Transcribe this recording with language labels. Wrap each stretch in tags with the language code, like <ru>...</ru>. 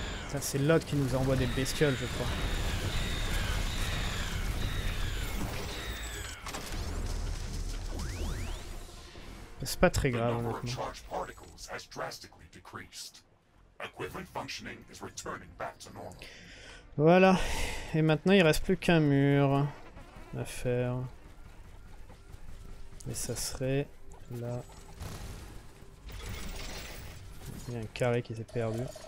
<fr>Ça, c'est Lot qui nous envoie des bestioles, je crois. C'est pas très grave, honnêtement.</fr> <en>Has drastically decreased. Equipment functioning is returning back to normal.</en> <fr>Voilà. Et maintenant, il reste plus qu'un mur à faire. Et ça serait là. Il y a un carré qui s'est perdu.</fr>